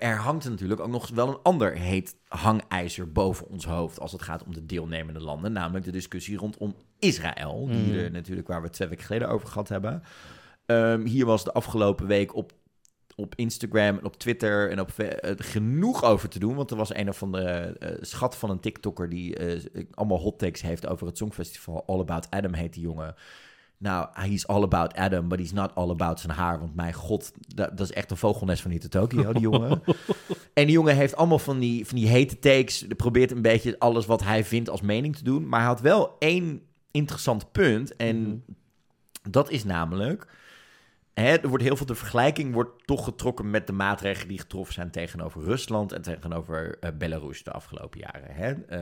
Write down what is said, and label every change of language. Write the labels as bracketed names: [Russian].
[Dutch] Er hangt natuurlijk ook nog wel een ander heet hangijzer boven ons hoofd als het gaat om de deelnemende landen, namelijk de discussie rondom Israël, waar we 2 weken geleden over gehad hebben. Hier was de afgelopen week op Instagram en op Twitter en op genoeg over te doen. Want er was een of andere schat van een TikToker die allemaal hot takes heeft over het Songfestival. All About Adam heet die jongen. Nou, [English] he's all about Adam, but he's not all about [Dutch] zijn haar. Want mijn god, dat is echt een vogelnest van hier te Tokio, die jongen. En die jongen heeft allemaal van die hete takes. Hij probeert een beetje alles wat hij vindt als mening te doen. Maar hij had wel één interessant punt. En dat is namelijk, de vergelijking wordt toch getrokken met de maatregelen die getroffen zijn tegenover Rusland en tegenover Belarus de afgelopen jaren. Hè?